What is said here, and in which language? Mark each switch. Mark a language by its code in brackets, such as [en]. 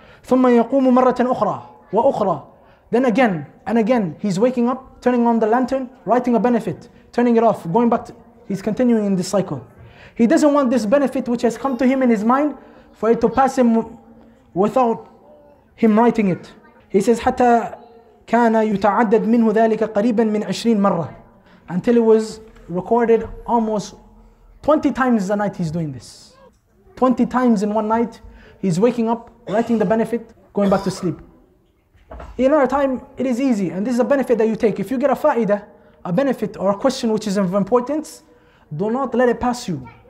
[ar] ثُمَّ يَقُومُ مَرَّةً أُخْرَى وَأُخْرَى. [en] Then again and again, he's waking up, turning on the lantern, writing a benefit, turning it off, going back to, he's continuing in this cycle. He doesn't want this benefit which has come to him in his mind for it to pass him without him writing it. He says, [ar] حَتَّى كَانَ يُتَعَدَّدْ مِنْهُ ذَلِكَ قَرِيبًا مِنْ 20 مَرَّةً. [en] Until it was recorded almost 20 times a night he's doing this. 20 times in one night, he's waking up, writing the benefit, going back to sleep. In our time, it is easy, and this is a benefit that you take. If you get a fa'ida, a benefit or a question which is of importance, do not let it pass you.